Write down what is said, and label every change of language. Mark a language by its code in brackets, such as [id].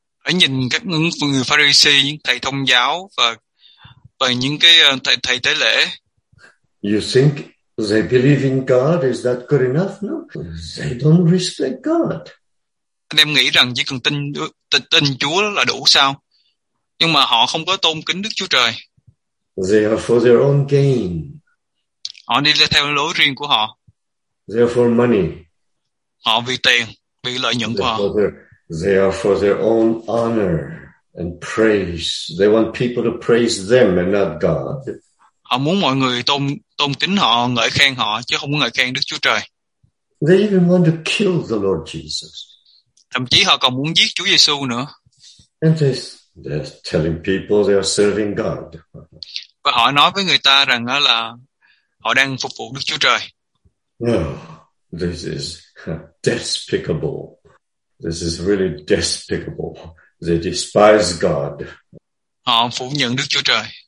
[vi] Hãy nhìn các người Pharisee, những thầy thông giáo và những cái thầy tế lễ. [en] You think they believe in God? Is that good enough? No, they don't respect God. [vi] Anh em nghĩ rằng chỉ cần tin Chúa là đủ sao? Nhưng mà họ không có tôn kính Đức Chúa Trời. [en] They are for their own gain. [vi] Họ đi theo lối riêng của họ. [en] They are for money. [vi] Họ vì tiền, vì lợi nhuận của họ. [en] They are for their own honor and praise. They want people to praise them and not God. [vi] Họ muốn mọi người tôn kính họ, ngợi khen họ, chứ không muốn ngợi khen Đức Chúa Trời. [en] They even want to kill the Lord Jesus. [vi] Thậm chí họ còn muốn giết Chúa Giêsu nữa. [en] And they're telling people they are serving God. [vi] Và họ nói với người ta rằng là họ đang phục vụ Đức Chúa Trời. [en] Oh, this is despicable. This is really despicable. They despise God. [vi] Họ phủ nhận Đức Chúa Trời.